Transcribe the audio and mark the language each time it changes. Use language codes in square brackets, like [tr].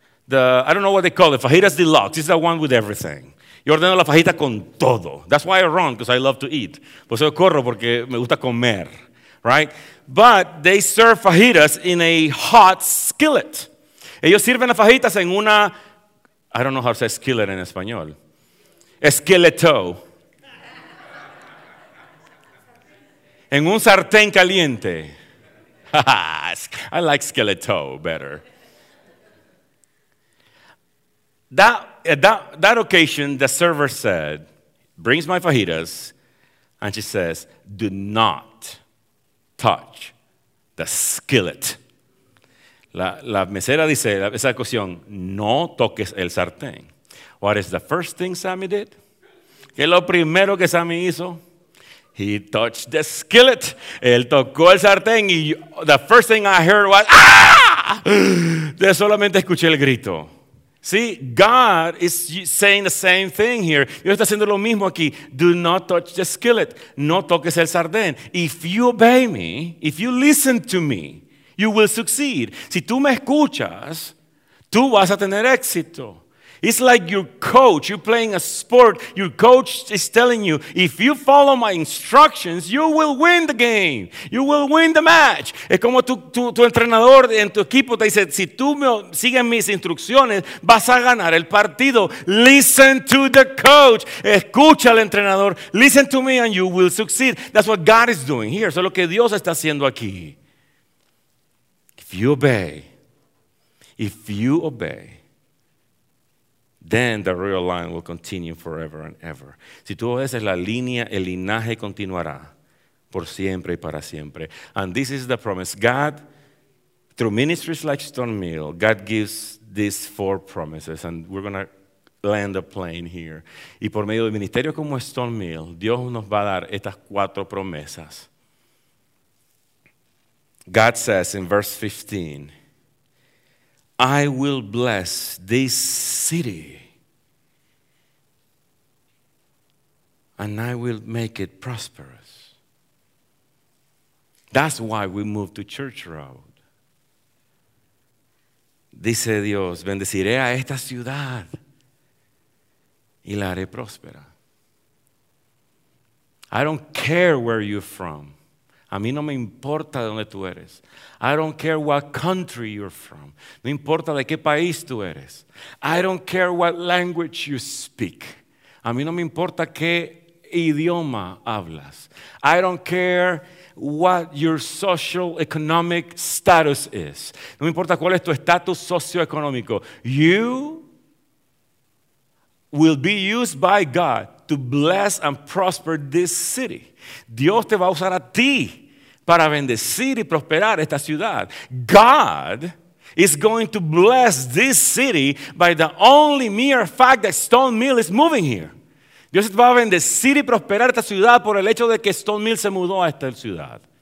[en] I don't know what they call it, fajitas deluxe. It's the one with everything. [es] Yo ordeno la fajita con todo. [en] That's why I run, because I love to eat. [es] Por eso corro, porque me gusta comer, right? [en] But they serve fajitas in a hot skillet. [es] Ellos sirven las fajitas en una, [en] I don't know how to say skillet in [es] español. Esqueleto. En un sartén caliente. [en] I like esqueleto better. That occasion, the server said, brings my fajitas, and she says, do not touch the skillet. [es] La mesera dice, esa ocasión, no toques el sartén. [en] What is the first thing Sammy did? [es] ¿Qué es lo primero que Sammy hizo? [en] He touched the skillet. [es] Él tocó el sartén, y [en] the first thing I heard was, ah! [es] De solamente escuché el grito. [en] See, God is saying the same thing here. [es] Dios está haciendo lo mismo aquí. [en] Do not touch the skillet. [es] No toques el sartén. [en] If you obey me, if you listen to me, you will succeed. [es] Si tú me escuchas, tú vas a tener éxito. [en] It's like your coach, you're playing a sport, your coach is telling you, if you follow my instructions, you will win the game, you will win the match. [es] Es como tu entrenador en tu equipo te dice, si tú sigues mis instrucciones, vas a ganar el partido. [en] Listen to the coach, [es] escucha al entrenador, [en] listen to me and you will succeed. That's what God is doing here, [es] eso es lo que Dios está haciendo aquí. [en] If you obey, then the royal line will continue forever and ever. [es] Si tú obedeces la línea, el linaje continuará por siempre y para siempre. [en] And this is the promise. God, through ministries like Stone Mill, God gives these four promises. And we're going to land a plane here. [es] Y por medio de ministerios como Stone Mill, Dios nos va a dar estas cuatro promesas. [en] God says in verse 15, I will bless this city and I will make it prosperous. That's why we moved to Church Road. [es] Dice Dios, bendeciré a esta ciudad y la haré próspera. [en] I don't care where you're from. [es] A mí no me importa de dónde tú eres. [en] I don't care what country you're from. [es] No importa de qué país tú eres. [en] I don't care what language you speak. [es] A mí no me importa qué idioma hablas. [en] I don't care what your social economic status is. [es] No me importa cuál es tu estatus socioeconómico. [en] You will be used by God to bless and prosper this city. [es] Dios te va a usar a ti para bendecir y prosperar esta ciudad. [en] God is going to bless this city by the only mere fact that Stone Mill is moving here. [es] Dios va a bendecir y prosperar esta ciudad por el hecho de que Stone Mill se mudó a esta ciudad.